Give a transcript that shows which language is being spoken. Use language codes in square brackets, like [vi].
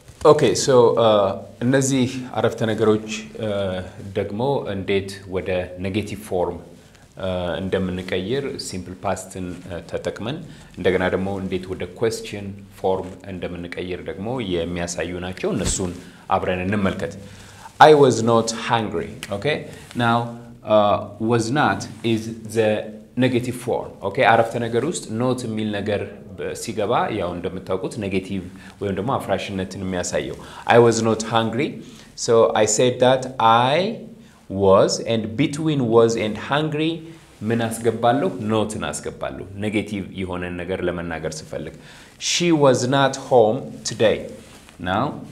[am] ኦኬ, ሶ እነዚህ አረፍተ ነገሮች ደግሞ እንዴት ወደ ኔጌቲቭ ፎርም እንደምንቀይር ሲምፕል ፓስትን ተጠቅመን እንደገና ደግሞ እንዴት ወደ ኳስቸን ፎርም እንደምንቀይር ደግሞ የሚያሳዩ ናቸው. እነሱን አብረን እንመልከት። [en] I was not hungry. Okay? Now, was not is the negative form. Okay? [am] አረፍተ ነገር ውስጥ not የሚል ነገር ሲገባ ያው እንደምታውቁት ኔጌቲቭ ወይም ደግሞ አፍራሽነትን የሚያሳየው [en] አይ ዋዝ ኖት ሃንግሪ ሶ አይ ሴድ ዳት አይ ዋዝ ኤንድ ቢትዊን ዋዝ ኤንድ ሃንግሪ [am] ምን አስገባለሁ ኖትን አስገባለሁ ኔጌቲቭ የሆነን ነገር ለመናገር ስፈልግ [en] ሺ ዋዝ ናት ሆም ቱዴይ ናው